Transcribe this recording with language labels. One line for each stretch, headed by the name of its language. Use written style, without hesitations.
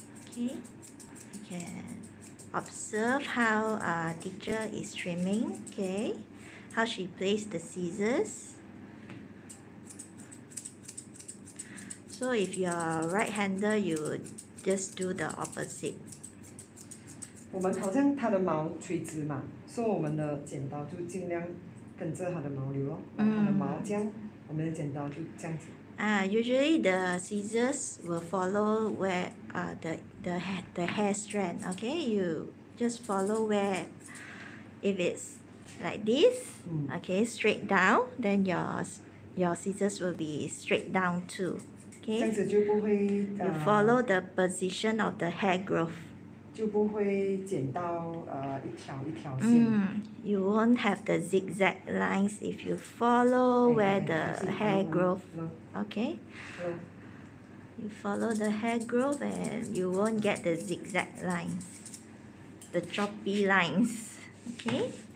English: Okay. You can observe how teacher is trimming, okay, how she placed the scissors. So if you're right-hander, you just do the opposite.
Chinese: 我们好像它的毛垂直嘛, so 我们的剪刀就尽量跟着它的毛流咯, 它的毛这样, 我们的剪刀就这样子。
English: Usually the scissors will follow where the hair strand. Okay, you just follow where, if it's like this, okay, straight down, then your scissors will be straight down too. Okay,
Chinese: 这样子就不会,
English: you follow the position of the hair growth.
Chinese: 就不会剪到, 一条一条线,
English: You won't have the zigzag lines if you follow where the hair growth. Okay. You follow the hair growth and you won't get the zigzag lines, the choppy lines. Okay.